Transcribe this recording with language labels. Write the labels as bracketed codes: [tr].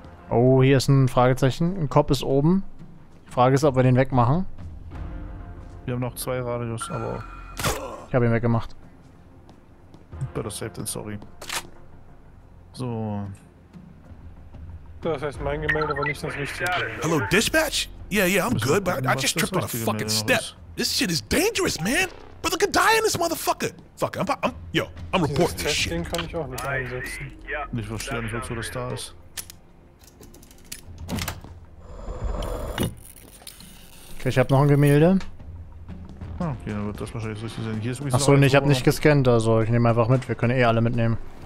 [de] Oh, hier ist ein Fragezeichen. Ein Kopf ist oben. Die Frage ist, ob wir den wegmachen. Wir haben noch 2 Radios, aber... Ich habe ihn weggemacht. [en] Better safe than sorry. So. [de] Das heißt, mein Gemälde war nicht das richtige. [en] Hello, Dispatch? Yeah, yeah, I'm good, but I just tripped on a fucking step. This shit is dangerous, man. Brother could die in this motherfucker. Fuck, I'm reporting this shit. [de] Den kann ich auch nicht einsetzen. Ich verstehe nicht, wozu das da ist. Okay, ich hab noch ein Gemälde. Okay, dann wird das wahrscheinlich richtig sein. Hier ist achso, ich hab nicht gescannt, also ich nehme einfach mit. Wir können eh alle mitnehmen.